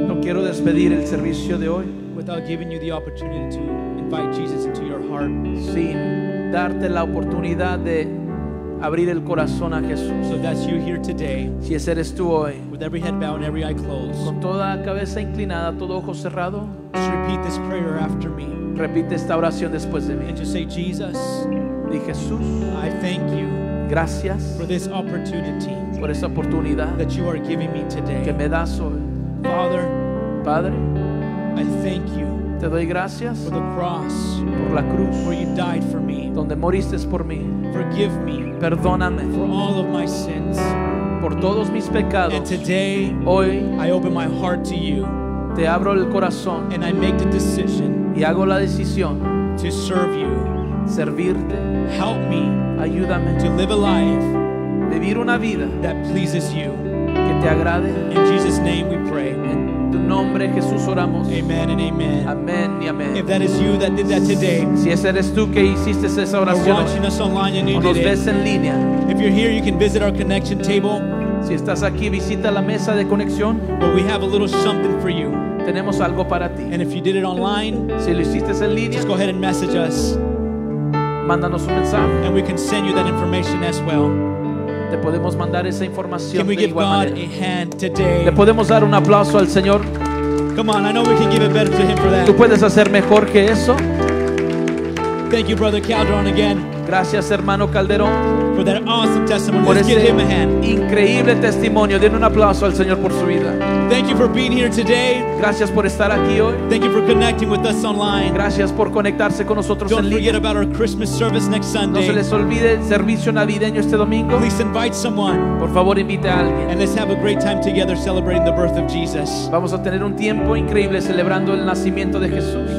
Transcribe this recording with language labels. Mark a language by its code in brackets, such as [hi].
[en] without giving you the opportunity to invite Jesus into your heart. [es] Sin darte la oportunidad de abrir el corazón a Jesús. [en] So that's you here today. [es] Si ese eres tú hoy. [en] With every head bowed and every eye closed. [es] Con toda cabeza inclinada, todo ojo cerrado. [en] Just repeat this prayer after me. [es] Repite esta oración después de mí. [en] And just say, Jesus. [es] Di Jesús. [en] I thank you. [es] Gracias. [en] For this opportunity. [es] Por esa oportunidad. [en] That you are giving me today. [es] Que me das hoy. [en] Father. [es] Padre. [en] I thank you. [es] Te doy gracias. [en] For the cross. [es] Por la cruz. [en] Where you died for me. [es] Donde moriste por mí. [en] Forgive me. [es] Perdóname. [en] For all of my sins. [es] Por todos mis pecados. [en] And today, [es] hoy, [en] I open my heart to you. [es] Te abro el corazón. [en] And I make the decision. [es] Y hago la decisión. [en] To serve you. [es] Servirte. [en] Help me. [es] Ayúdame. [en] To live a life. [es] Vivir una vida. [en] That pleases you. [es] Que te agrade. [en] In Jesus' name we pray. [es] En tu nombre, Jesús, oramos. [en] Amen and amen. [es] Amen y amen. [en] If that is you that did that today. [es] Si ese eres tú que hiciste esa oración. [en] Or watching us online and you did it. [es] O nos ves en línea. [en] If you're here, you can visit our connection table. [es] Si estás aquí, visita la mesa de conexión. [en] But we have a little something for you. [es] Tenemos algo para ti. [en] And if you did it online. [es] Si lo hiciste en línea. [en] Just go ahead and message us. [es] Mándanos un mensaje. [en] And we can send you that information as well. [es] Te podemos mandar esa información. [en] Can we give God [es] manera. [en] A hand today? [es] Le podemos dar un aplauso al Señor. [en] Come on, I know we can give it better to Him for that. [es] Tú puedes hacer mejor que eso. [en] Thank you, Brother Calderon, again. [es] Gracias, hermano Calderón. [en] For that awesome testimony. [es] Por [en] Let's give Him a hand. [es] Increíble testimonio. Den un aplauso al Señor por su vida. [en] Thank you for being here today. [es] Gracias por estar aquí hoy. [en] Thank you for connecting with us online. [es] Gracias por conectarse con nosotros [en] Don't [es] en línea. [en] Don't forget about our Christmas service next Sunday. [es] No se les olvide el servicio navideño este domingo. [en] Please invite someone. [es] Por favor, invite a alguien. [en] And let's have a great time together celebrating the birth of Jesus. [es] Vamos a tener un tiempo increíble celebrando el nacimiento de Jesús.